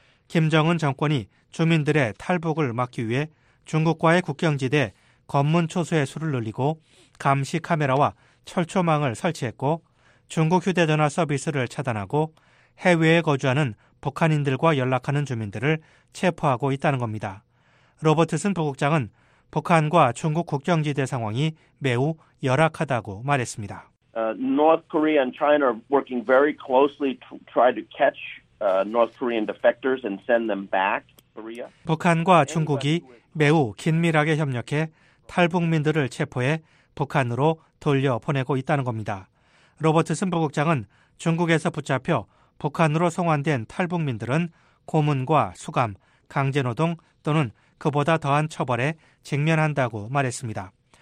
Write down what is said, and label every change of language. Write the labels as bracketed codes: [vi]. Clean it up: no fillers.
[ko] 김정은 정권이 주민들의 탈북을 막기 위해 중국과의 국경지대 검문초소의 수를 늘리고 감시 카메라와 철조망을 설치했고 중국 휴대전화 서비스를 차단하고 해외에 거주하는 북한인들과 연락하는 주민들을 체포하고 있다는 겁니다. 로버트슨 부국장은 북한과 중국 국경지대 상황이 매우 열악하다고 말했습니다. [en] North Korea and China are working very closely to try to catch North Korean defectors and send them back to Korea. [ko] 북한과 중국이 매우 긴밀하게 협력해 탈북민들을 체포해 북한으로 돌려보내고 있다는 겁니다. 로버트슨 부국장은 중국에서 붙잡혀 북한으로 송환된 탈북민들은 고문과 수감, 강제노동 또는 그보다 더한 처벌에 직면한다고 말했습니다.